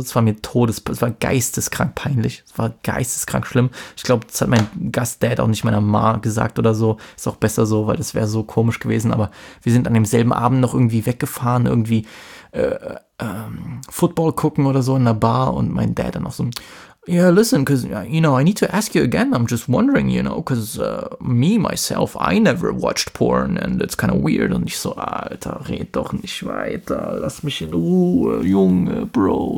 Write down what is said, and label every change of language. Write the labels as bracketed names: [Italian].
[German] Es war geisteskrank peinlich. Es war geisteskrank schlimm. Ich glaube, das hat mein Gastdad auch nicht meiner Ma gesagt oder so. Ist auch besser so, weil das wäre so komisch gewesen. Aber wir sind an demselben Abend noch irgendwie weggefahren, irgendwie Football gucken oder so in einer Bar. Und mein Dad dann auch so, [English] yeah, listen, because, you know, I need to ask you again. I'm just wondering, you know, because me, myself, I never watched porn and it's kind of weird. [German] Und ich so, Alter, red doch nicht weiter. Lass mich in Ruhe, Junge, Bro.